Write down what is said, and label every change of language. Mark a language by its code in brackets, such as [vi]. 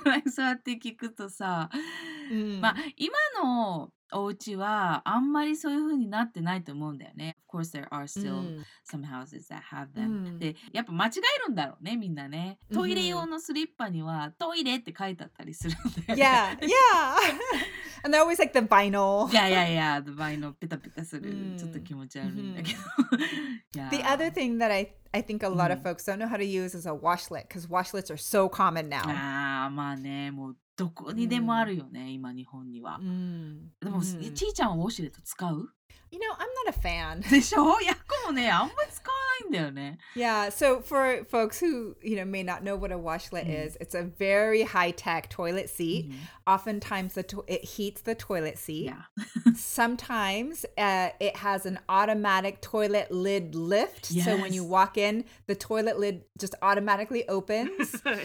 [ja] そうやって聞くとさ、今のお家はあんまりそういう風になってないと思うんだよね。 [en] Of course, there are still some houses that have them. [ja] で、やっぱ間違えるんだろうね、みんなね。トイレ用のスリッパにはトイレって書いてあったりするんだよね。 [en] Yeah, yeah. And they're always like the vinyl. Yeah, yeah, yeah. The vinyl, [ja] ペタペタする。ちょっと気持ち悪いんだけど。 [en] The other thing that I think a lot of folks don't know how to use is a washlet, because washlets are so common now. [ja] ああ、まあね、もう。どこにでもあるよね、今日本には。でも、ちーちゃんはウォシュレット使う？ [en] You know, I'm not a fan. [ja] でしょ？やっこもね、あんまり使わないんだよね。 [en] Yeah, so for folks who, you know, may not know what a washlet is, it's a very high-tech toilet seat. Oftentimes, it heats the toilet seat. Yeah. Sometimes, it has an automatic toilet lid lift. Yes. So when you walk in, the toilet lid just automatically opens.